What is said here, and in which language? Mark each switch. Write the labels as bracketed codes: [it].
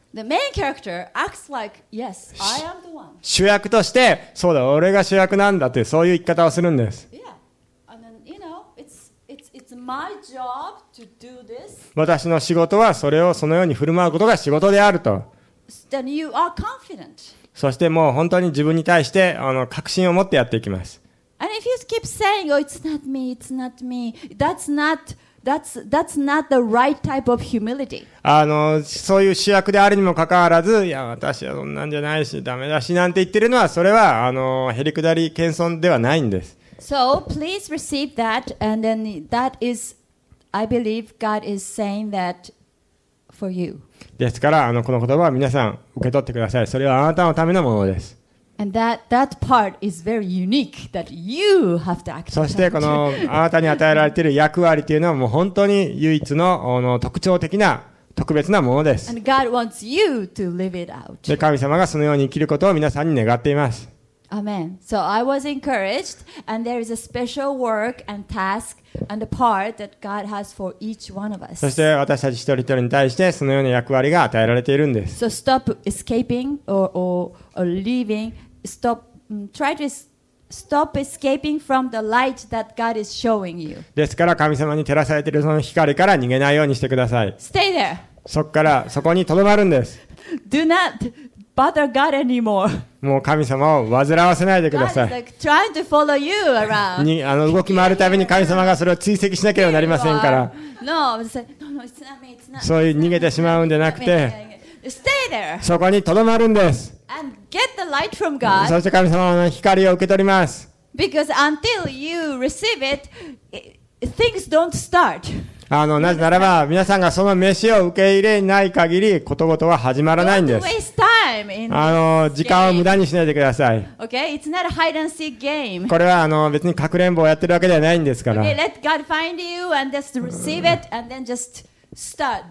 [en] The main character acts like, yes, I am the one. [ja] 主役として、そうだ、俺が主役なんだって、そういう言い方をするんです。 [en] Yeah. And then, you know, it's my job to do this. [ja] 私の仕事はそれをそのように振る舞うことが仕事であると。 [en] Then you are confident. [ja] そしてもう本当に自分に対して確信を持ってやっていきます。 [en] And if you keep saying, oh, it's not me, it's not me, that's not the right type of humility. [ja] そういう主役であるにもかかわらず、いや、私はそんなんじゃないし、ダメだしなんて言ってるのは、それはへりくだり謙遜ではないんです。 [en] So please receive that, and then that is, I believe God is saying that for you. [ja] ですからこの言葉は皆さん受け取ってください。それはあなたのためのものです。 [en] And that part is very unique that you have to act. [ja] そしてこのあなたに与えられている役割というのはもう本当に唯一の特徴的な特別なものです。 [en] And God wants you to live it out. [ja] で、神様がそのように生きることを皆さんに願っています。 [en] Amen. So I was encouraged, and there is a special work and task and a part that God has for each one of us. [ja] そして私たち一人一人に対してそのような役割が与えられているんです。 [en] So stop escaping or leaving. Stop. Try to stop escaping from the light that God is showing you. [ja] ですから神様に照らされているその光から逃げないようにしてください。 [en] Stay there. [ja] そこからそこに留まるんです。 [en] Do not. Bother God anymore. [ja] もう神様を煩わせないでください。 [en] God is like trying to follow you around. [ja] に動き回るたびに神様がそれを追跡しなければなりませんから。 [en] No, no, it's not me. It's not me. [ja] そういう逃げてしまうんじゃなくて、 [en] Stay there. [ja] そこに留まるんです。 [en] And get the light from God. [ja] そして神様の光を受け取ります。 [en] Because until you receive it, things don't start. [ja] なぜならば皆さんがその飯を受け入れない限りことごとは始まらないんです。時間を無駄にしないでください。 [en] Okay? It's not a hide and seek game. [ja] これは別にかくれんぼをやってるわけではないんですから。 [en] Okay, let God find you and just receive it and then just start.